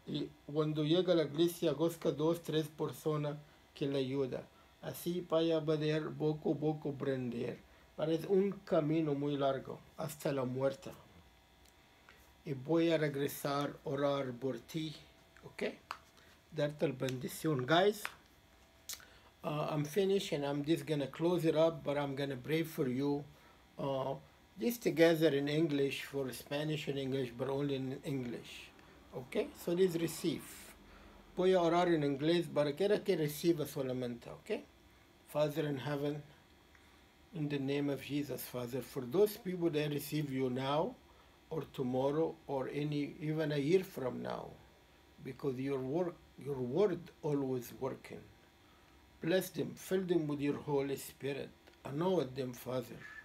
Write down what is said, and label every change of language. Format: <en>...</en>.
<es>Y cuando llega a la iglesia, busca dos, tres personas que le ayuda. Así vaya a poder poco a poco aprender. Parece un camino muy largo hasta la muerte. Y voy a regresar a orar por ti. ¿Ok? Darte la bendición.</es> <en>Guys, I'm finished and I'm just going to close it up, but I'm going to pray for you. Just together in English, for Spanish and English, but only in English. ¿Ok? So please receive.</en> <es>Voy a orar en inglés, pero quiero que reciba solamente.</es> <en>¿Ok? Father in heaven. In the name of Jesus, Father, for those people that receive you now or tomorrow or any even a year from now, because your word always working. Bless them, fill them with your Holy Spirit, anoint them, Father.</en>